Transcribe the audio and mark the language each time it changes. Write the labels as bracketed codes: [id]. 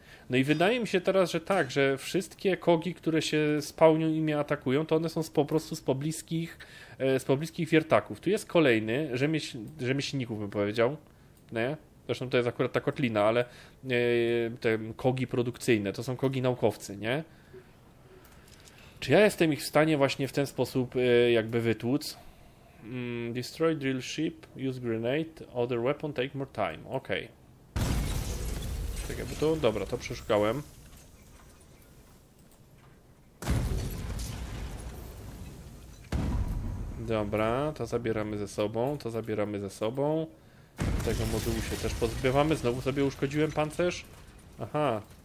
[pl] No i wydaje mi się teraz, że tak, że wszystkie kogi, które się spawnią i mnie atakują, to one są po prostu z pobliskich wiertaków. Tu jest kolejny, rzemieślników bym powiedział. Nie? Zresztą to jest akurat ta kotlina, ale te kogi produkcyjne, to są kogi naukowcy, nie? Czy ja jestem ich w stanie właśnie w ten sposób jakby wytłuc? [en] Destroy drill ship, use grenade, other weapon take more time. [pl] Okej. Czekaj, bo to dobra, to przeszukałem. Dobra, to zabieramy ze sobą, to zabieramy ze sobą. Tego modułu się też pozbywamy. Znowu sobie uszkodziłem pancerz. Aha.